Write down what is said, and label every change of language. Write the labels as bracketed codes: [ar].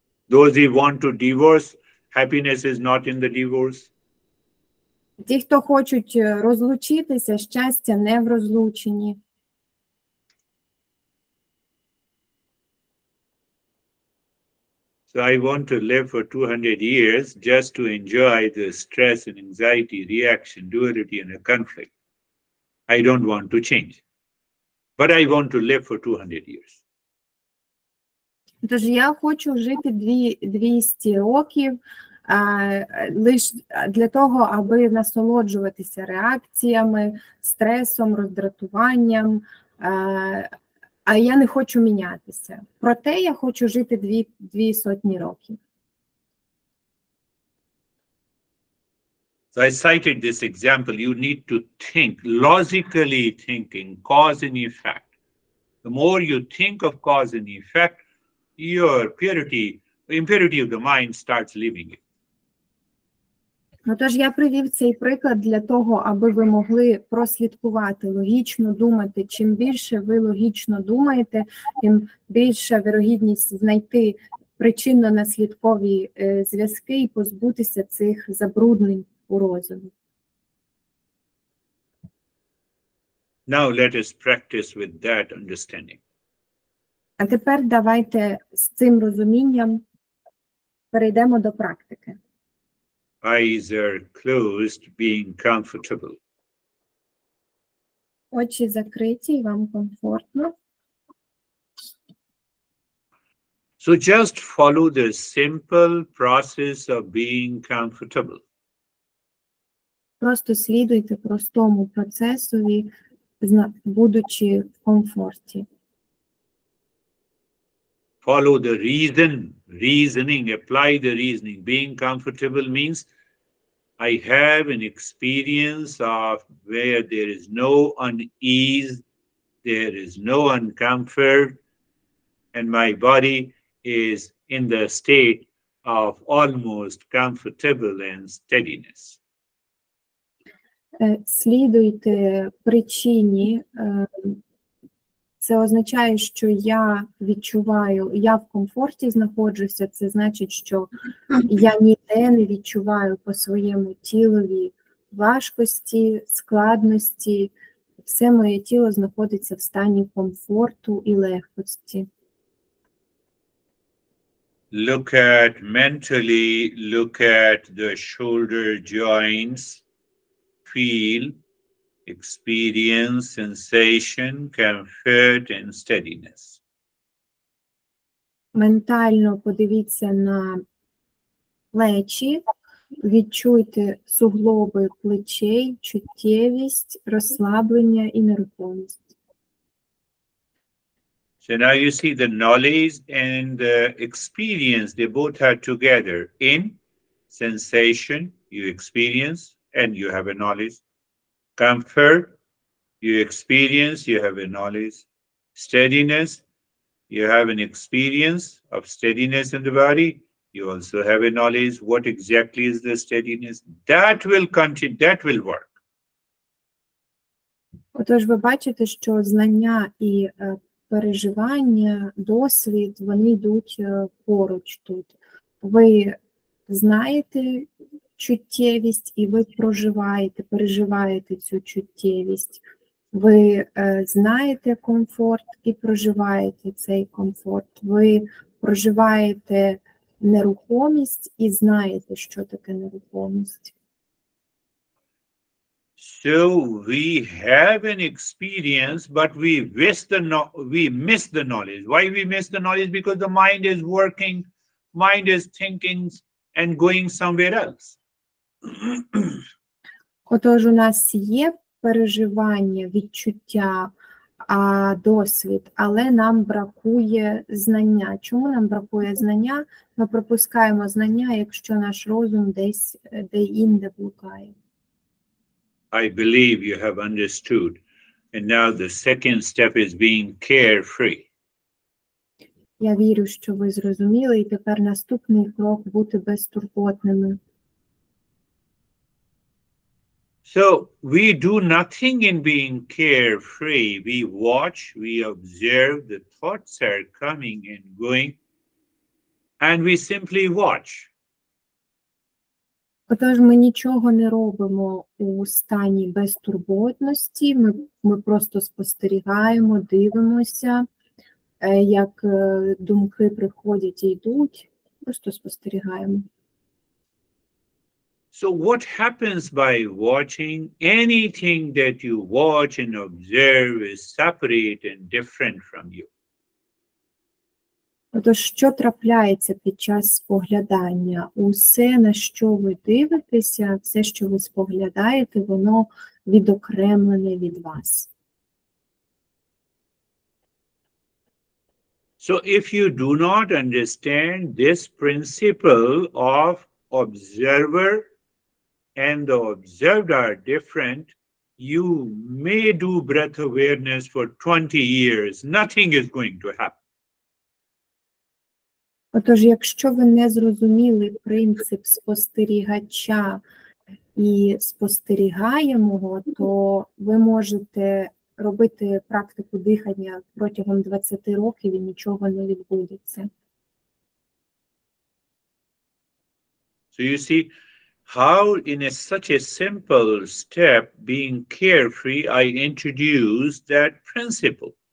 [en] Those who want to divorce, happiness is not in the divorce. [uk] Ті, хто хочуть розлучитися, щастя не в розлученні. [en] So I want to live for 200 years just to enjoy the stress and anxiety, reaction, duality and a conflict. I don't want to change. But I want to live for 200 years. [uk] Тож я хочу жити 200 років лише для того, аби насолоджуватися реакціями, стресом, роздратуванням. А я не хочу мінятися. Проте я хочу жити 200 років. [en] So I cited this example. You need to think, logically thinking, cause and effect. The more you think of cause and effect, your purity, impurity of the mind starts leaving you. [uk] Ну, тож я привів цей приклад для того, аби ви могли прослідкувати, логічно думати. Чим більше ви логічно думаєте, тим більша вірогідність знайти причинно-наслідкові зв'язки і позбутися цих забруднень у розумі. [en] Now let us practice with that understanding. [uk] А тепер давайте з цим розумінням перейдемо до практики. [en] Eyes are closed, being comfortable. [uk] Очі закриті, вам комфортно. [en] So just follow the simple process of being comfortable. [uk] Просто слідуйте простому процесу, будучи в комфорті. [en] Follow the reason, reasoning, apply the reasoning. Being comfortable means I have an experience of where there is no unease, there is no uncomfort, and my body is in the state of almost comfortable and steadiness. [uk] Слідуйте причині. Це означає, що я відчуваю, я в комфорті знаходжуся, це значить, що я ніде не відчуваю по своєму тілові важкості, складності. Все моє тіло знаходиться в стані комфорту і легкості. [en] Look at mentally, look at the shoulder joints, feel. Experience, sensation, comfort, and steadiness. [uk] Ментально подивіться на плечі, відчуйте суглоби плечей, чуттєвість, розслаблення і нерухомість. [en] So now you see the knowledge and the experience, they both are together. In sensation, you experience and you have a knowledge. Comfort, you experience, you have a knowledge. Steadiness, you have an experience of steadiness in the body, you also have a knowledge. What exactly is the steadiness? That will continue, that will work. [uk] Отож, ви бачите, що знання і переживання, досвід, вони йдуть поруч тут. Ви знаєте чуттєвість, і ви проживаєте, переживаєте цю чуттєвість. Ви знаєте комфорт і проживаєте цей комфорт. Ви проживаєте нерухомість і знаєте, що таке нерухомість. [en] So we have an experience, but we miss the knowledge. Why we miss the knowledge? Because the mind is working, mind is thinking and going somewhere else. [uk] Отож, у нас є переживання, відчуття, досвід, але нам бракує знання. Чому нам бракує знання? Ми пропускаємо знання, якщо наш розум десь де-інде блукає. [en] I believe you have understood. And now the second step is being carefree. [uk] Я вірю, що ви зрозуміли, і тепер наступний крок – бути безтурботними. [en] So we do nothing in being carefree. We watch, we observe, the thoughts are coming and going, and we simply watch. [uk] Отож, ми нічого не робимо у стані безтурботності. Ми просто спостерігаємо, дивимося, як думки приходять і йдуть. Просто спостерігаємо. [en] So what happens by watching? Anything that you watch and observe is separate and different from you. [uk] Отож, що трапляється під час споглядання? Усе, на що ви дивитеся, все, що ви споглядаєте, воно відокремлене від вас. [en] So if you do not understand this principle of observer and the observed are different, you may do breath awareness for 20 years. Nothing is going to happen. [uk] Отож, якщо ви не зрозуміли принцип спостерігача і спостерігаємого, то ви можете робити практику дихання протягом 20 років і нічого не відбудеться. [en] So you see, how in a such a simple step, being carefree, I introduce that principle.